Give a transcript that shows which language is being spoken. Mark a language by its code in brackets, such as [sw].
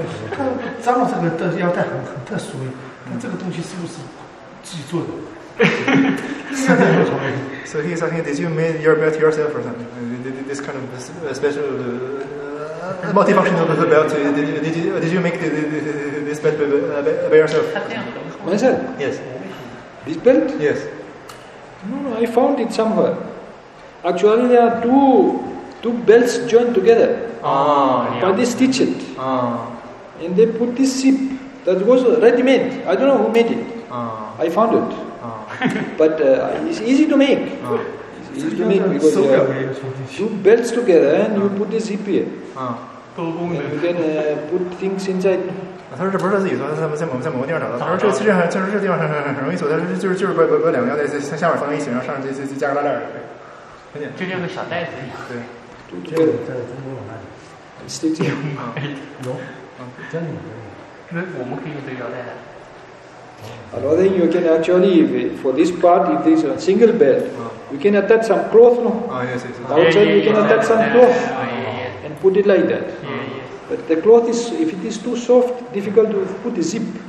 [zh] 他张老这个的腰带很特殊，他这个东西是不是自己做的？ [en] So he's saying that you made your belt yourself or something. This kind of special multifunctional belt. Did you make this belt by yourself? Myself? Yes. This belt? Yes. No, I found it somewhere. Actually, there are two belts joined together. But they stitch it. And they put this zip that was ready made. I don't know who made it. I found it. But it's easy to make. It's easy to make because you two belts together and you put the zip here. And you can put things inside. [zh] 他说这不是他自己做，他在某个地方找到。他说这其实很，就是这地方很容易做，但是就是把两个腰带在下面放在一起，然后上面再加个拉链，就像个小袋子一样。对，这个在中国有卖的，是这样吗？有，真的有。那我们可以用这个腰带的。 [en] Although then you can actually, for this part, if this is a single belt, you can attach some cloth, no? Outside you can attach some cloth and put it like that. Yeah. But the cloth is, if it is too soft, difficult to put a zip.